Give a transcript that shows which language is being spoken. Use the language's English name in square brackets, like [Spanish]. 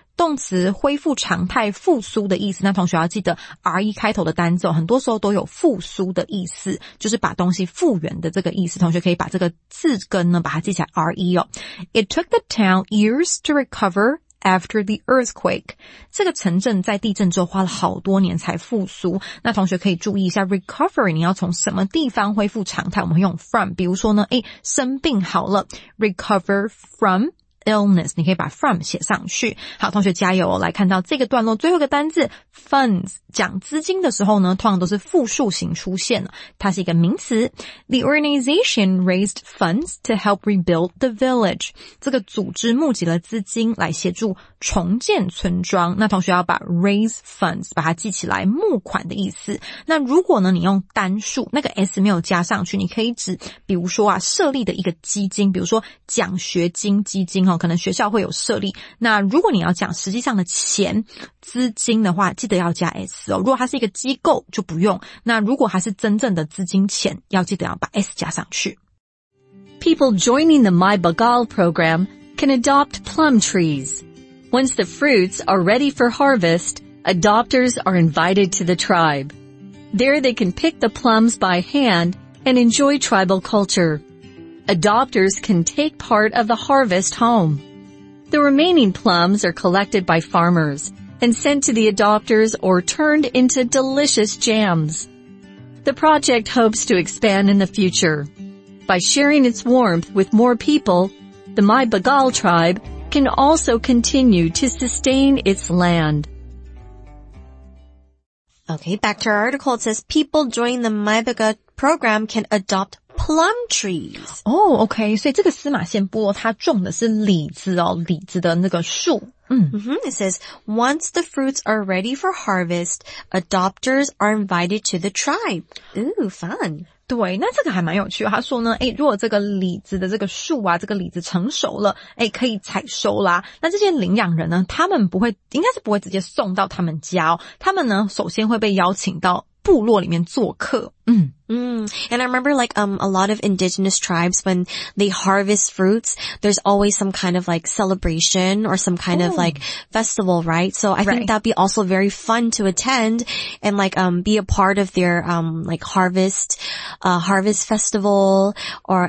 [Chinese] 动词恢复常态复苏的意思，那同学要记得 RE 开头的单字，很多时候都有复苏的意思，就是把东西复原的这个意思，同学可以把这个字根呢把它记起来 RE 哦。 [English] It took the town years to recover after the earthquake. [Chinese] 这个城镇在地震之后花了好多年才复苏，那同学可以注意一下 recover， 你要从什么地方恢复常态，我们会用 from， 比如说呢，诶，生病好了， [English] recover fromIllness， [Chinese] 你可以把 from 写上去。好，同学加油哦！来看到这个段落最后一个单字 funds， 讲资金的时候呢，通常都是复数型出现，它是一个名词。 [English] The organization raised funds to help rebuild the village。 [Chinese] 这个组织募集了资金来协助重建村庄。那同学要把 [English] raise funds [Chinese] 把它记起来，募款的意思。那如果呢，你用单数，那个 s 没有加上去，你可以指，比如说啊，设立的一个基金，比如说奖学金基金。可能学校会有设立，那如果你要讲实际上的钱资金的话，记得要加 S 哦。如果它是一个机构就不用，那如果它是真正的资金钱，要记得要把 S 加上去。 [English] People joining the My Bagal program can adopt plum trees. Once the fruits are ready for harvest, adopters are invited to the tribe. There they can pick the plums by hand and enjoy tribal cultureAdopters can take part of the harvest home. The remaining plums are collected by farmers and sent to the adopters or turned into delicious jams. The project hopes to expand in the future. By sharing its warmth with more people, the My Bagal tribe can also continue to sustain its land. Okay, back to our article. It says people join the My Bagal program can adopt plum trees. Oh, okay. [Chinese] 所以这个司马县部落它种的是李子哦，李子的那个树。 [English] It says, once the fruits are ready for harvest, adopters are invited to the tribe. Ooh, fun. [Chinese] 对，那这个还蛮有趣的。他说呢，诶，如果这个李子的这个树啊，这个李子成熟了，诶，可以采收啦。那这些领养人呢，他们不会，应该是不会直接送到他们家哦。他们呢，首先会被邀请到部落里面做客。 [English] And I remember like a lot of indigenous tribes when they harvest fruits, there's always some kind of like celebration or some kind of like festival, right? So I think that'd be also very fun to attend and like be a part of their like harvest festival or